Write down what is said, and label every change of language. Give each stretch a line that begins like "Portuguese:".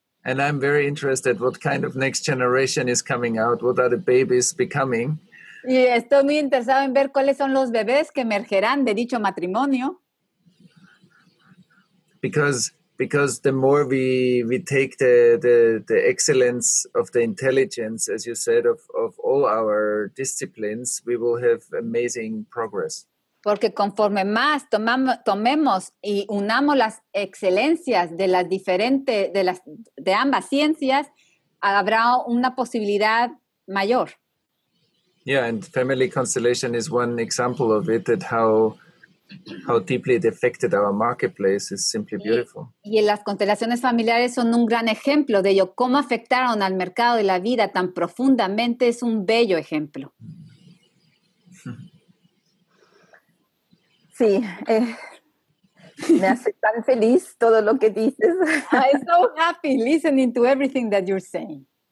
English: And I'm very interested what kind of next generation is coming out, what are the babies becoming.
Spanish: Y estoy muy interesado en ver cuáles son los bebés que emergerán de dicho matrimonio.
English: Because the more we take the excellence of the intelligence, as you said, of all our disciplines, we will have amazing progress.
Spanish: Porque conforme más tomemos y unamos las excelencias de las diferentes de ambas ciencias, habrá una posibilidad mayor.
English: Yeah, and family constellation is one example of it, that how deeply it affected our marketplace is simply beautiful.
Spanish: Y las constelaciones familiares son un gran ejemplo de ello, cómo afectaron al mercado de la vida tan profundamente, es un bello ejemplo. Sí, me hace tan feliz todo lo que dices.
English: I'm so happy listening to everything that you're saying.